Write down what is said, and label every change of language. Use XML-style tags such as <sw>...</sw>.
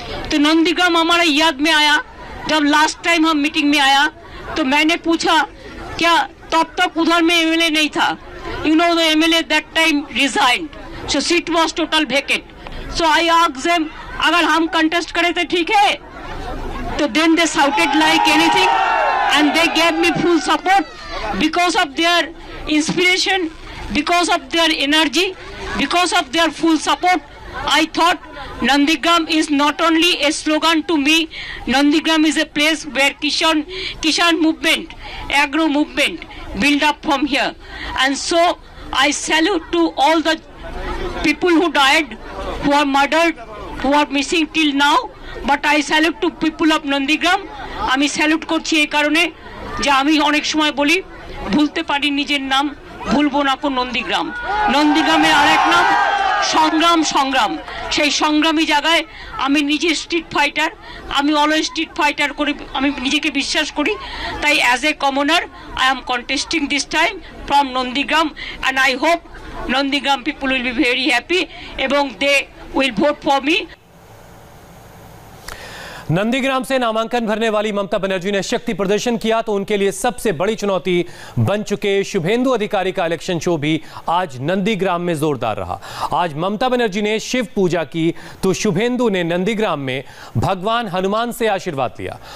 <hi>तो नंदीग्राम हमारे याद में आया, जब लास्ट टाइम हम मीटिंग में आया तो मैंने पूछा, क्या तब तक उधर में एमएलए नहीं था?</hi> <en>You know the MLA that time resigned, so seat was total vacant. So I asked them,</en> <hi>अगर हम कंटेस्ट करे तो ठीक है?</hi> <en>तो then they shouted like anything and they gave me full support because of their inspiration, because of their energy, because of their full support. I thought Nandigram is not only a slogan to me, Nandigram is a place where Kishan movement, agro movement build up from here. And so I salute to all the people who died, who are murdered, who are missing till now, but I salute to people of Nandigram.</en> <bn>আমি salute করছি এই কারণে যে আমি অনেক সময় বলি ভুলতে পারি নিজের নাম, ভুলবো না কোন নন্দীগ্রাম। নন্দীগ্রামের আরেক নাম সংগ্রাম, সংগ্রাম। সেই সংগ্রামী জায়গায় আমি নিজে স্ট্রিট ফাইটার, আমি অলওয়েজ স্ট্রিট ফাইটার করে আমি নিজেকে বিশ্বাস করি।</bn> <en>তাই as a commoner I am contesting this time from Nandigram, and I hope Nandigram people will be very happy এবং they will vote for me.</en> <hi>Nandigram से नामांकन भरने वाली ममता बनर्जी ने शक्ति प्रदर्शन किया तो उनके लिए सबसे बड़ी चुनौती बन चुके शुभेंदु अधिकारी का इलेक्शन शो भी आज नंदीग्राम में जोरदार रहा। आज ममता बनर्जी ने शिव पूजा की तो शुभेंदु ने नंदीग्राम में भगवान हनुमान से आशीर्वाद लिया।</hi>